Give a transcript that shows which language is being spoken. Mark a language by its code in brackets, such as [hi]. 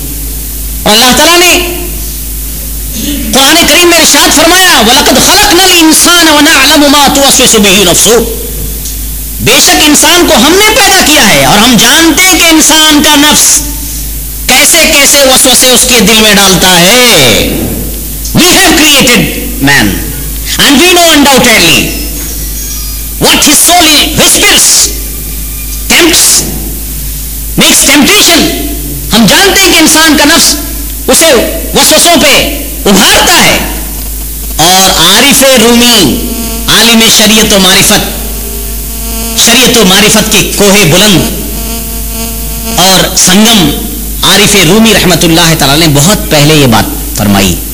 [ur] اور اللہ تعالیٰ نے قرآن کریم میں ارشاد فرمایا [ar] وَلَقَدْ خَلَقْنَا الْإِنسَانَ وَنَعْلَمُ مَا تُوَسْوِسُ بِهِ نَفْسُهُ, [ur] بے شک انسان کو ہم نے پیدا کیا ہے اور ہم جانتے ہیں کہ انسان کا نفس کیسے کیسے وسوسے اس کے دل میں ڈالتا ہے. [en] We have created man and we know undoubtedly what his soul whispers, tempts, makes temptation. [ur] ہم جانتے ہیں کہ انسان کا نفس اسے وسوسوں پہ ابھارتا ہے. اور عارف رومی عالم شریعت و معرفت, شریعت و معرفت کے کوہ بلند اور سنگم عارف رومی رحمت اللہ تعالی نے بہت پہلے یہ بات فرمائی.